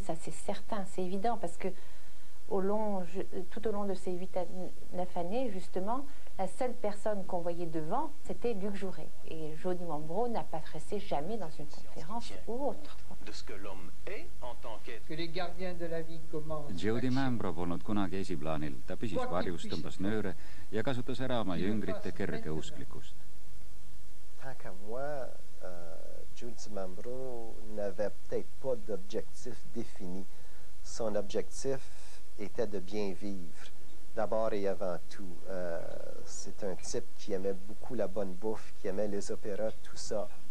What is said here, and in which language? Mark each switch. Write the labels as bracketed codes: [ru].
[fr] Ça, c'est certain, c'est évident, parce que tout au long de ces 8 à 9 années, justement, la seule personne qu'on voyait devant, c'était Luc Jouret. Et Joe Dimambro n'a pas dressé jamais dans une conférence ou autre. De ce que l'homme est en tant qu'être. Que les gardiens de la vie commencent. [et] Joe Dimambro polnud kunagi esiplaanil. Ta püsis varjus, tõmbas nööre ja kasutas ära oma jüngrite kerge usklikust. [fr] Tak a moi, Joe Dimambro n'avait peut-être pas d'objectif défini. Son objectif était de bien vivre. D'abord et avant tout, c'est un type qui aimait beaucoup la bonne bouffe, qui aimait les opéras, tout ça.